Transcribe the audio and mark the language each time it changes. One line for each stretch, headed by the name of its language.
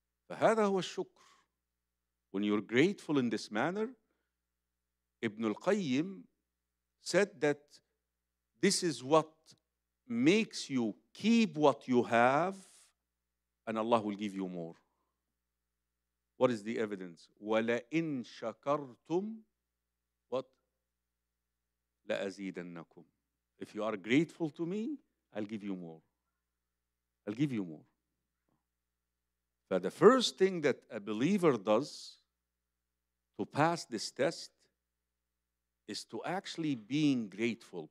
Arabic: فَهَذَا هُوَ الشُّكْرُ.
English: When you're grateful in this manner, Ibn al-Qayyim said that this is what makes you keep what you have and Allah will give you more. What is the evidence?
Arabic: وَلَئِن شَكَرْتُمْ
English: what?
Arabic: لَأَزِيدَنَّكُمْ.
English: If you are grateful to me, I'll give you more. I'll give you more. But the first thing that a believer does to pass this test is to actually being grateful.